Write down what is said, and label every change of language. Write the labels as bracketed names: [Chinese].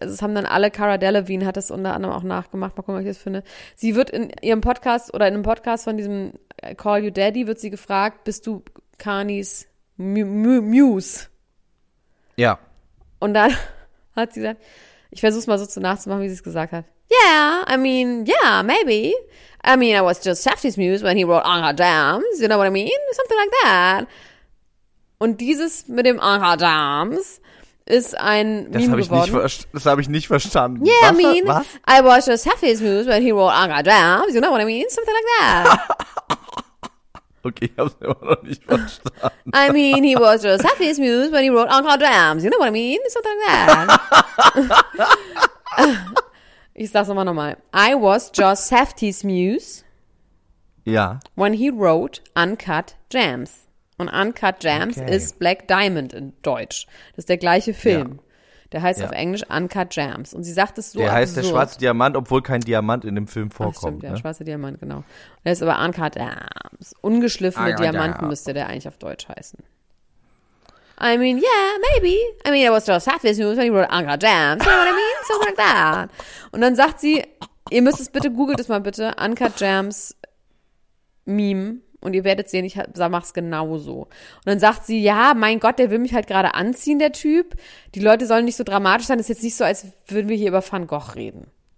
[German] Also es haben dann alle, Cara Delevingne hat das unter anderem auch nachgemacht. Mal gucken, was ich das finde. Sie wird in ihrem Podcast oder in einem Podcast von diesem Call You Daddy wird sie gefragt, bist du Carnies Muse? Ja. Und dann hat sie gesagt, ich versuch's mal so zu nachzumachen, wie sie es gesagt hat. [English] Yeah, I mean, yeah, maybe. I mean, I was just Shafty's muse when he wrote Anka Jams, you know what I mean? Something like that. [German] Und dieses mit dem Anka Jams ist ein Meme Das habe ich nicht verstanden. [English] Yeah, [German] was? [English] I mean, I was just Shafty's muse when he wrote Anka Jams, you know what I mean? Something like that. [German] Okay, ich habe es immer noch nicht verstanden. [English] I mean, he was just Shafty's muse when he wrote Anka Jams, you know what I mean? Something like that. [German] Ich sag's nochmal. [English] I was Joss Safdie's muse. [German] Ja. [English] When he wrote Uncut Jams. [German] Und Uncut Jams ist Black Diamond in Deutsch. Das ist der gleiche Film. Ja. Der heißt auf Englisch Uncut Jams. Und sie sagt es so absurd. Der heißt der schwarze Diamant, obwohl kein Diamant in dem Film vorkommt. Ach, stimmt, ne? Der schwarze Diamant, genau. Der ist aber Uncut Jams. Ungeschliffene Diamanten müsste der eigentlich auf Deutsch heißen. [English] I mean, yeah, maybe. I mean, it was just half his news when he wrote Anka Jams. You know what I mean? Something like that. [German] Und dann sagt sie, ihr müsst es bitte, googelt es mal bitte, Anka Jams Meme. Und ihr werdet sehen, ich mach's genauso. Und dann sagt sie, ja, mein Gott, der will mich halt gerade anziehen, der Typ. Die Leute sollen nicht so dramatisch sein. Das ist jetzt nicht so, als würden wir hier über Van Gogh reden.